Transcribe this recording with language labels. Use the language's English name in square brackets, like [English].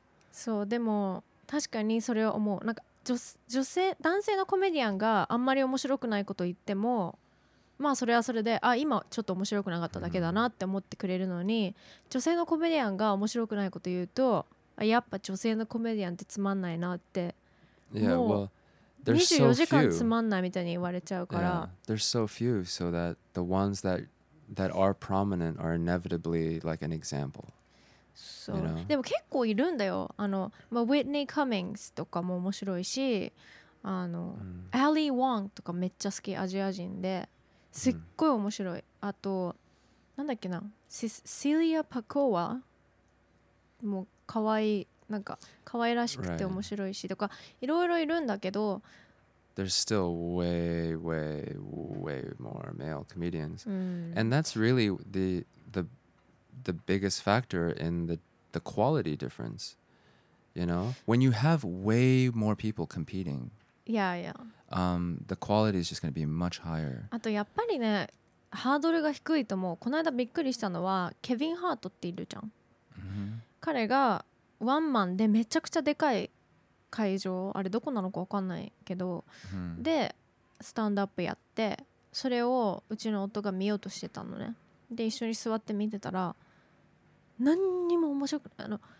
[Japanese] そう、でも確かにそれは思う。なんか女性男性のコメディアンがあんまり面白くないこと言っても、まあそれはそれで、あ、今ちょっと面白くなかっただけだなって思ってくれるのに、女性のコメディアンが面白くないこと言うと、やっぱ女性のコメディアンってつまんないなって。 [English] Yeah, well. 24 [Japanese] 時間つまんないみたいに言われちゃうから。 [English] Yeah, there's so few, so that the ones that are prominent are inevitably like an example. [Japanese] そう。 [English] You know? [Japanese] でも結構いるんだよ。あの、まあ、Whitney Cummings とかも面白いし、あの、Ali Wong とかめっちゃ好き、アジア人で、すっごい面白い。あと、なんだっけな、Celia Pacoa もかわいい。なんか可愛らしくて面白いしとか、いろいろいるんだけど、 [English] There's still way, way, way more male comedians. And that's really the biggest factor in the quality difference. You know? When you have way more people competing, the quality is just going to be much higher. [Japanese] あとやっぱりね、ハードルが低いと思う。この間びっくりしたのは、ケビン・ハートっているじゃん。彼がワンマンでめちゃくちゃでかい会場、あれどこなのか分かんないけど、でスタンドアップやって、それをうちの夫が見ようとしてたのね。で一緒に座って見てたら、何にも面白くない、あの